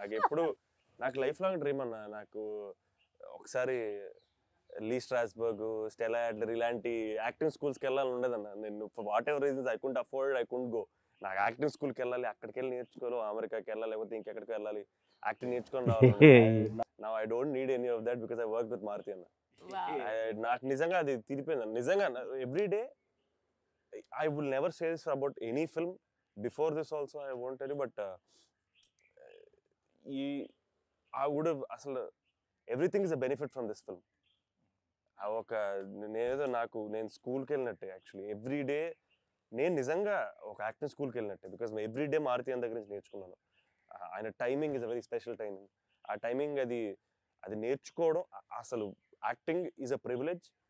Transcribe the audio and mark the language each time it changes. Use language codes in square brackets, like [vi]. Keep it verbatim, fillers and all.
[te] నాకు ఎప్పుడు నాకు లైఫ్ లాంగ్ డ్రీమ్ అన్న. నాకు ఒకసారి లీ స్ట్రాస్బర్గ్, స్టెలా యాడ్లర్ ఇలాంటి యాక్టింగ్ స్కూల్స్కి వెళ్ళాలని ఉండేదన్న. నేను [en] Whatever reasons I can't afford, I can't go. [te] నాకు యాక్టింగ్ స్కూల్కి వెళ్ళాలి, అక్కడికి వెళ్ళి నేర్చుకోవాలి, అమెరికాకి వెళ్ళాలి, లేకపోతే ఇంకెక్కడికి వెళ్ళాలి, యాక్టింగ్ నేర్చుకొని రావాలి. [en] నా I don't need any of that because I work with Maruthi అన్న. Wow. [te] I- నాకు నిజంగా అది తిరిపోయింది నిజంగా. Every day [en] I will never say this about any film. Before this also, I won't tell you, but uh, he, I would have, asal, everything is a benefit from this film. [te] ఒక నేనేదో నాకు నేను స్కూల్కి వెళ్ళినట్టే actually every day నేను నిజంగా ఒక acting స్కూల్కి వెళ్ళినట్టే because every day Maruti అని దగ్గర నుంచి నేర్చుకున్నాను. ఆయన timing [en] Is a very special timing. [te] ఆ టైమింగ్ అది అది నేర్చుకోవడం అసలు యాక్టింగ్ [en] Is a privilege.